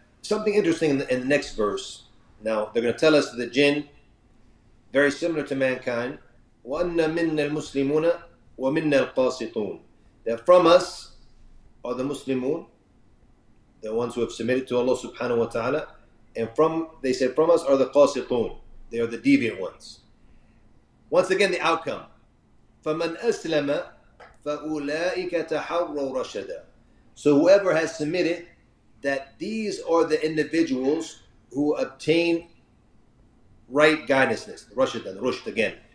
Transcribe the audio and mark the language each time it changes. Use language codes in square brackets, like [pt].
[en] Something interesting in the next verse. Now, they're going to tell us the jinn, very similar to mankind, وَأَنَّ مِنَّ الْمُسْلِمُونَ وَمِنَّ الْقَاسِطُونَ, that from us are the Muslimun, the ones who have submitted to Allah subhanahu wa ta'ala, and from us are the Qasitun, they are the deviant ones. [ar] Once again, the outcome, فَمَنْ أَسْلَمَ فَأُولَٰئِكَ تَحَرَّوا رَشَدًا. [en] So whoever has submitted, that these are the individuals who obtain right guidance, rushd again.